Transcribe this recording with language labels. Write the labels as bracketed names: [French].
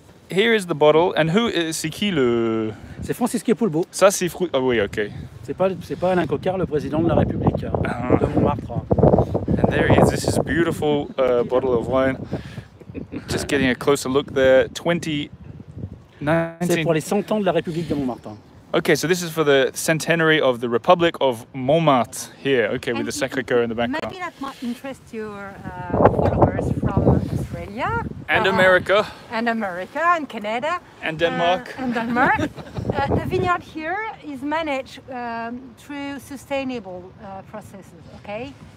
[English] Here is the bottle, and who is [French] c'est qui le? C'est Francisque Poulbeau. Ça c'est fruit. Ah oh, oui, okay. C'est pas Alain Coquart, le président de la République de Montmartre. [English] And there he is. This is a beautiful bottle of wine. Just getting a closer look there. 2019. [French] C'est pour les 100 ans de la République de Montmartre. [English] Okay, so this is for the centenary of the Republic of Montmartre here. Okay, and with the Sacré-Cœur in the background. Maybe that might interest your followers from Australia. And America. And America and Canada. And Denmark. And Denmark. The vineyard here is managed through sustainable processes, okay?